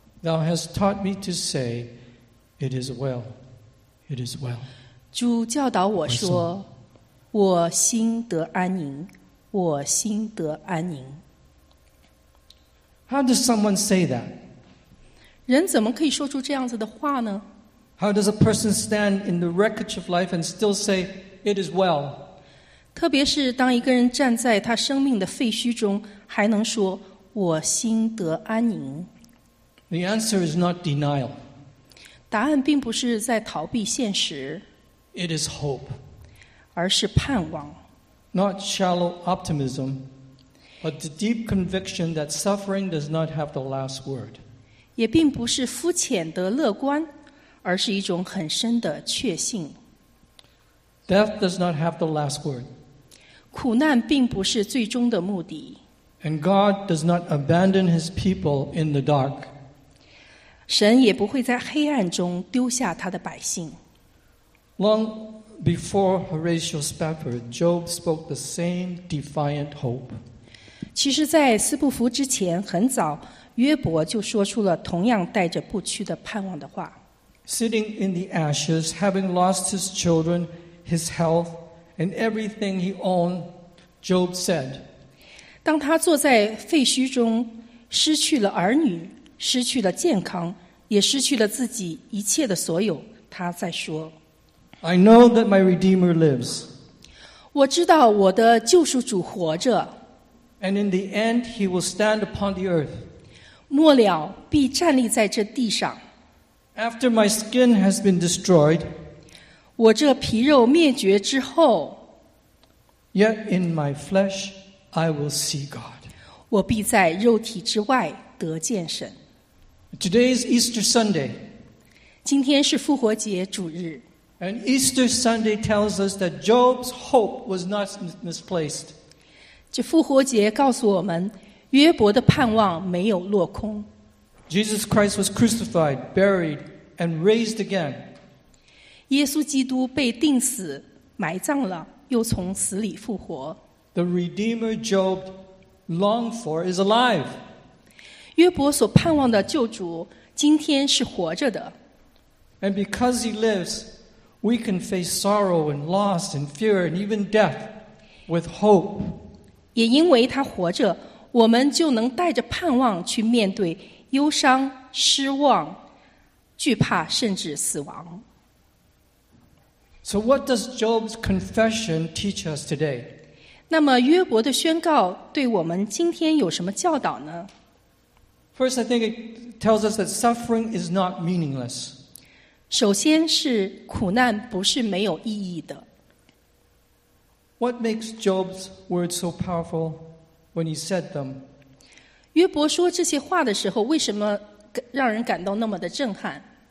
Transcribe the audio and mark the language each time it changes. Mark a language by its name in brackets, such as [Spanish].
[English] Thou hast taught me to say, it is well, it is well. [Chinese] 主教导我说我心得安宁，我心得安宁。 [English] How does someone say that? [Chinese] 人怎么可以说出这样子的话呢？ [English] How does a person stand in the wreckage of life and still say, it is well? [Chinese] 特别是当一个人站在他生命的废墟中，还能说我心得安宁。 [English] The answer is not denial. [Chinese] 答案并不是在逃避现实。 [English] It is hope. [Chinese] 而是盼望。 [English] not shallow optimism, but the deep conviction that suffering does not have the last word. [Chinese] 也并不是肤浅的乐观，而是一种很深的确信。 [English] Death does not have the last word. [Chinese] 苦难并不是最终的目的。 [English] And God does not abandon his people in the dark. [Chinese] 神也不会在黑暗中丢下他的百姓。 [English] Long before Horatio Spafford, Job spoke the same defiant hope. [Chinese] 其实在斯布福之前很早约伯就说出了同样带着不屈的盼望的话。 [English] Sitting in the ashes, having lost his children, his health, and everything he owned, Job said, [Chinese] 当他坐在废墟中，失去了儿女，失去了健康，也失去了自己一切的所有，他在说， [English] I know that my Redeemer lives. [Chinese] 我知道我的救赎主活着。 [English] And in the end, he will stand upon the earth. [Chinese] 末了必站立在这地上。 [English] After my skin has been destroyed, [Chinese] 我这皮肉灭绝之后， [English] yet in my flesh I will see God. [Chinese] 我必在肉体之外得见神。 [English] Today is Easter Sunday. [Chinese] 今天是复活节主日。 [English] And Easter Sunday tells us that Job's hope was not misplaced. [Chinese] 这复活节告诉我们约伯的盼望没有落空。 [English] Jesus Christ was crucified, buried, and raised again. [Chinese] 耶稣基督被钉死，埋葬了，又从死里复活。 [English] The Redeemer Job longed for is alive. [Chinese] 约伯所盼望的救主今天是活着的。 [English] And because he lives, we can face sorrow and loss and fear and even death with hope. [Chinese] 也因为他活着我们就能带着盼望去面对忧伤、失望、惧怕，甚至死亡。 [English] So what does Job's confession teach us today? [Chinese] 那么约伯的宣告对我们今天有什么教导呢？ [English] First, I think it tells us that suffering is not meaningless. [Chinese] 首先是苦难不是没有意义的。 [English] What makes Job's words so powerful? When he said them, [Chinese] 约伯说这些话的时候，为什么让人感到那么的震撼？